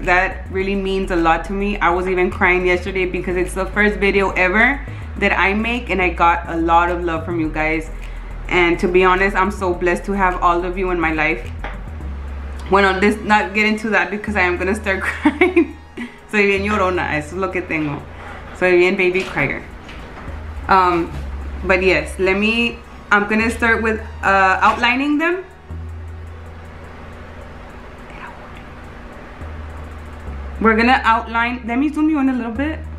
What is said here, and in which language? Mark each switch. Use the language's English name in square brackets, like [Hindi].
[English] That really means a lot to me. I was even crying yesterday because it's the first video ever that I make and I got a lot of love from you guys. And to be honest, I'm so blessed to have all of you in my life. Bueno, let's not get into that because I am gonna start crying. [Spanish] Soy bien llorona, eso es lo que tengo. Soy bien [English] baby crier. But yes, I'm gonna start with outlining them. We're gonna outline, let me zoom you in a little bit.